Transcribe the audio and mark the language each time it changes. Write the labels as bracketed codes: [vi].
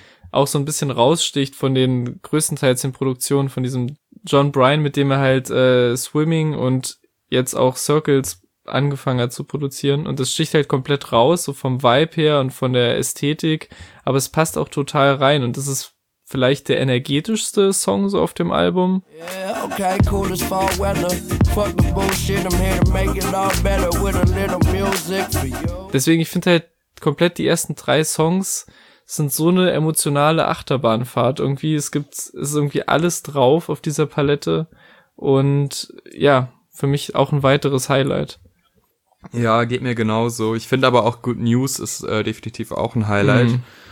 [de] auch so ein bisschen raussticht von den größtenteils den Produktionen von diesem John Bryan, mit dem er halt Swimming und jetzt auch Circles angefangen hat zu produzieren und das sticht halt komplett raus, so vom Vibe her und von der Ästhetik, aber es passt auch total rein und das ist vielleicht der energetischste Song so auf dem Album. [en] Yeah, okay, cool, it's fall weather. Fuck the bullshit, I'm here to make it all better with a little music for you. [de] Deswegen, ich finde halt komplett die ersten 3 Songs sind so eine emotionale Achterbahnfahrt. Irgendwie, es ist irgendwie alles drauf auf dieser Palette. Und ja, für mich auch ein weiteres Highlight. Ja, geht mir genauso. Ich finde aber auch Good News ist definitiv auch ein Highlight. Mhm.